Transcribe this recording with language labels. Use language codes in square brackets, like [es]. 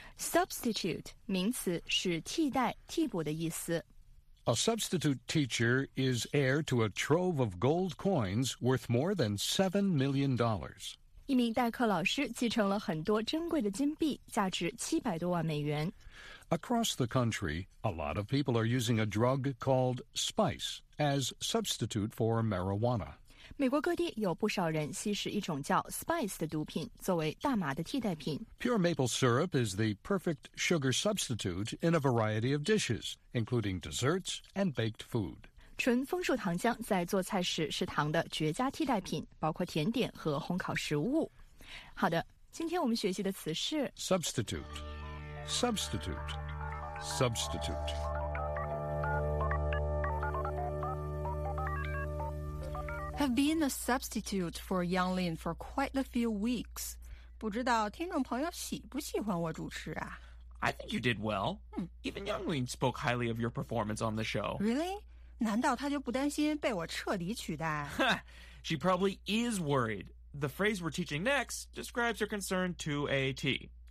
[zh] Substitute, 名词是替代、替补的意思。 [en] A substitute teacher is heir to a trove of gold coins worth more than $7 million. [zh] 一名代课老师继承了很多珍贵的金币，价值$700 million。 [en] Across the country, a lot of people are using a drug called spice as substitute for marijuana. [zh] 美国各地有不少人吸食一种叫 spice 的毒品作为大麻的替代品。 [en] Pure maple syrup is the perfect sugar substitute in a variety of dishes, including desserts and baked food. [zh] 纯枫树糖浆在做菜时是糖的绝佳替代品，包括甜点和烘烤食物。好的，今天我们学习的词是 [en] substitute, substitute, substitute. I've been a substitute for Yang Lin for quite a few weeks. [zh] 不知道听众朋友喜不喜欢我主持啊？ [en] I think you did well. Even Yang Lin spoke highly of your performance on the show. Really? [zh] 难道他就不担心被我彻底取代？ [en] She probably is worried. The phrase we're teaching next describes her concern to a T.